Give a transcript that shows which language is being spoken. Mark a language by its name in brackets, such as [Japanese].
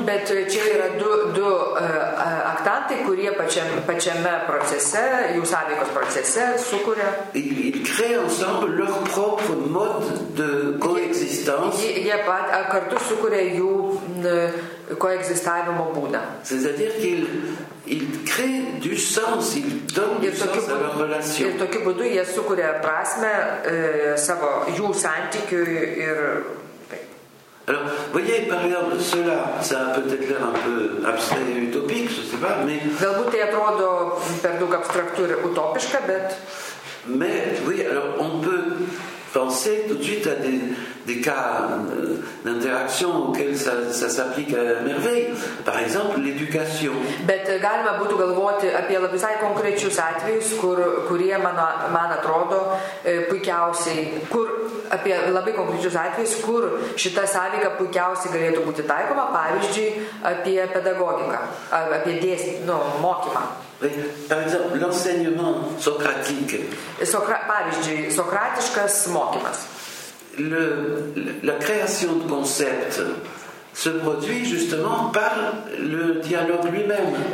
[Lithuanian] Bet čia yra du aktantai, kurie pačiame procese, jų sąveikos procese sukuria. [French] Ils créent ensemble leur propre mode de coexistence. [Lithuanian] Jie pat kartu sukuria jų koegzistavimo būdą. [French] C'est-à-dire qu'ils créent du sens, ils donnent du sens à leur relation. [Lithuanian] Ir tokiu būdu jie sukuria prasme savo jų santykiui ir [French] Alors, voyez, par exemple, cela, ça a peut-être l'air un peu abstrait et utopique, je ne sais pas, mais... [Lithuanian] Galbūt tai atrodo per daug abstraktu ir utopiška, bet... [French] Mais, oui, alors, on peut penser tout de suite à des cas d'interaction auxquels ça s'applique à merveille. Par exemple, l'éducation. [Lithuanian] Bet galima būtų galvoti apie labai konkrečius atvejus, kurie, man atrodo, puikiausiai, kur apie labai konkrečius atvejus, kur šita sąlyga puikiausiai galėtų būti taikoma, pavyzdžiui, apie pedagogiką, apie mokymą. [French] Par exemple, l'enseignement socratique. [Lithuanian] Pavyzdžiui, sokratiškas mokymas. [French] La création de concepts se produit justement par le dialogue lui-même.